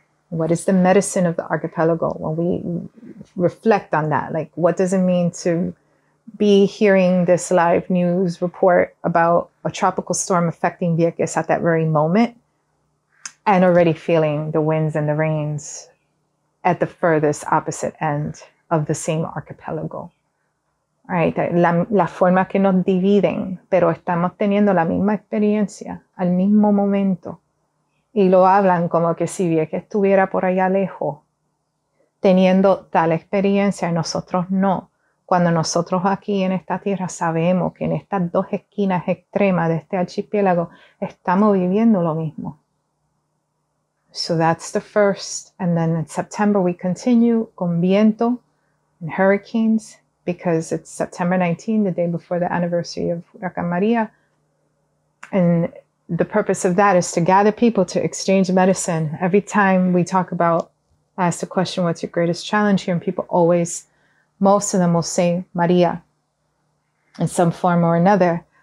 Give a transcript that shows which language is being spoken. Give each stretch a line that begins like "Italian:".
English: What is the medicine of the archipelago? When we reflect on that, like, what does it mean to be hearing this live news report about a tropical storm affecting Vieques at that very moment and already feeling the winds and the rains at the furthest opposite end of the same archipelago? All right,
Spanish: la forma que nos dividen, pero estamos teniendo la misma experiencia al mismo momento. y lo hablan como que si Vieques estuviera por allá lejos, teniendo tal experiencia, y nosotros no. Cuando nosotros aquí en esta tierra sabemos que en estas dos esquinas extremas de este archipiélago estamos viviendo lo mismo.
English: So that's the first. And then in September we continue
Spanish: con viento
English: and hurricanes because it's September 19, the day before the anniversary of Huracán María. And the purpose of that is to gather people to exchange medicine. Every time we talk about, I ask the question, what's your greatest challenge here? And people always, most of them will say María in some form or another.